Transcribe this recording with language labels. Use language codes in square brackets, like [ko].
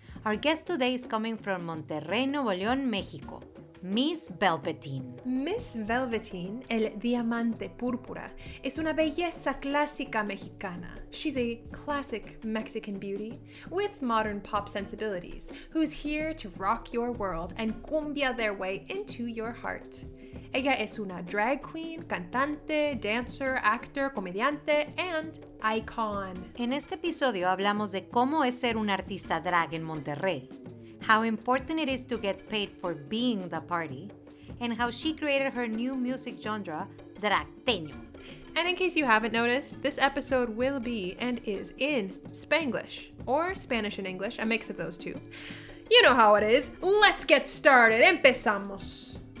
[en] Our guest today is coming from Monterrey, Nuevo León, México. Miss Velveteen. [es] Miss Velveteen, el diamante púrpura, es una belleza clásica mexicana. [en] She's a classic Mexican beauty with modern pop sensibilities, who's here to rock your world and cumbia their way into your heart. [es] Ella es una drag queen, cantante, dancer, actor, comediante, and icon. En este episodio hablamos de cómo es ser un artista drag en Monterrey. [en] How important it is to get paid for being the party, and how she created her new music genre, dragteño. And in case you haven't noticed, this episode will be and is in Spanglish, or Spanish and English, a mix of those two. You know how it is. Let's get started. [es] Empezamos.